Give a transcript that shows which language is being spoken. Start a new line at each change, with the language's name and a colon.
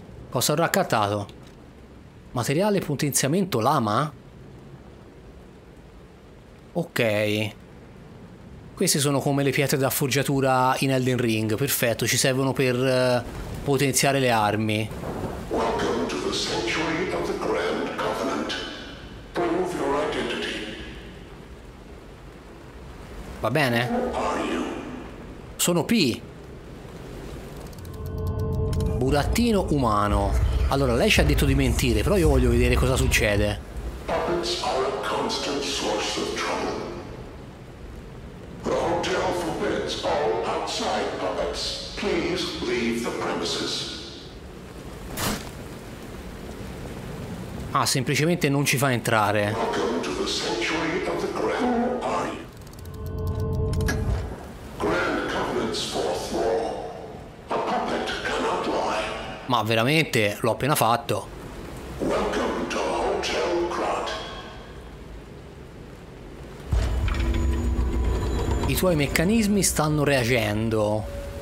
Italian: Cosa ho raccattato? Materiale potenziamento lama? Ok. Queste sono come le pietre da forgiatura in Elden Ring. Perfetto, ci servono per potenziare le armi.
English: Welcome to the Sanctuary of the Grand Covenant. Prove your identity.
Italian: Va bene?
English: Who are you?
Italian: Sono P. Burattino umano. Allora, lei ci ha detto di mentire, però io voglio vedere cosa succede.
English: Puppets are a constant source of trouble. The hotel forbids all outside puppets. Please leave the premises.
Italian: Ah, semplicemente non ci fa entrare.
English: Welcome to the Sanctuary of the Grand. Who are you? Grand Covenant's fourth law. A puppet cannot lie.
Italian: Ma veramente, l'ho appena fatto.
English: Welcome to Hotel Crot.
Italian: I tuoi meccanismi stanno reagendo.